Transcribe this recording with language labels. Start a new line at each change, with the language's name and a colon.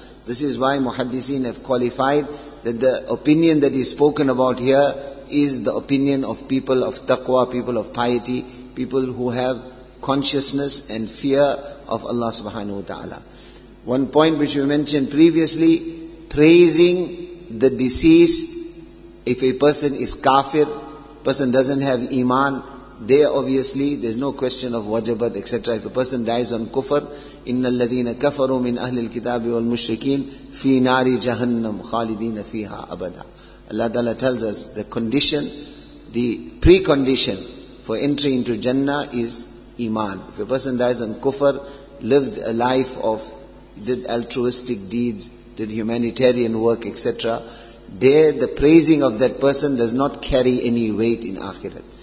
English: This is why muhaddiseen have qualified that the opinion that is spoken about here is the opinion of people of taqwa, people of piety, people who have consciousness and fear of Allah subhanahu wa ta'ala. One point which we mentioned previously, praising the deceased, if a person is kafir, person doesn't have iman, there obviously there's no question of wajabat, etc. If a person dies on kufr,
Arabic: إِنَّ الَّذِينَ كَفَرُوا مِنْ أَهْلِ الْكِتَابِ وَالْمُشْرِكِينَ فِي نَارِ جَهَنَّمْ خَالِدِينَ فِيهَا أَبَدًا.
English: Allah Ta'ala tells us the condition, the precondition for entry into Jannah is iman. If a person dies on kufr, lived a life of, did altruistic deeds, did humanitarian work, etc., there the praising of that person does not carry any weight in akhirat.